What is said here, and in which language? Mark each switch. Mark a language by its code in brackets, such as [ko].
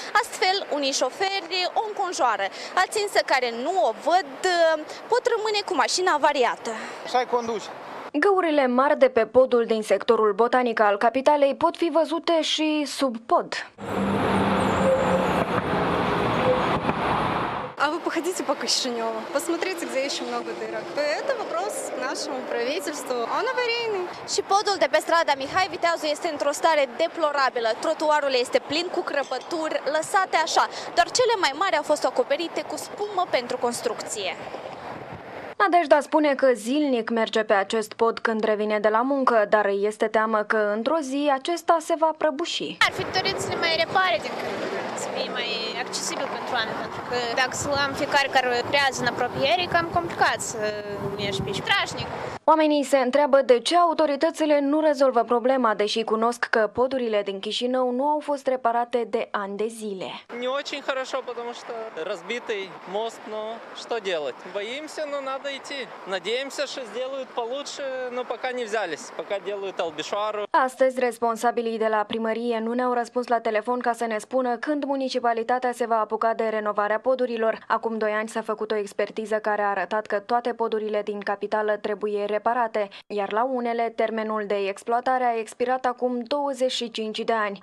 [ro] Astfel, unii șoferi o înconjoară. Alții însă care nu o văd pot rămâne cu mașina avariată. Să-i conduci! Găurile mari de pe podul din sectorul botanic al capitalei pot fi văzute și sub pod. [ru] А вы походите по Кишиневу, посмотрите, где еще много дырок. Это вопрос к нашему правительству. Он аварийный. [ro] Și podul de pe strada Mihai Viteazu este într-o stare deplorabilă. Trotuarul este plin cu crăpături lăsate așa, doar cele mai mari au fost acoperite cu spumă pentru construcție. Nadejda spune că zilnic merge pe acest pod când revine de la muncă, dar îi este teamă că într-o zi acesta se va prăbuși. Ar fi dorit să ne mai repare din când, să fie mai accesibil pentru oameni, pentru că dacă să luăm fiecare care lucrează în apropiere, e cam complicat să ieși pe aici. Strașnic. Oamenii se întreabă de ce autoritățile nu rezolvă problema, deși cunosc că podurile din Chișinău nu au fost reparate de ani de zile. [ru] Не очень хорошо, потому что разбитый мост, но что делать? Боимся, но надо идти. Надеемся, что сделают получше, но пока не взялись, пока делают албишуару. [ro] Astăzi, responsabilii de la primărie nu ne-au răspuns la telefon ca să ne spună când municipalitatea se va apuca de renovarea podurilor. Acum 2 ani s-a făcut o expertiză care a arătat că toate podurile din capitală trebuie reparate, iar la unele, termenul de exploatare a expirat acum 25 de ani.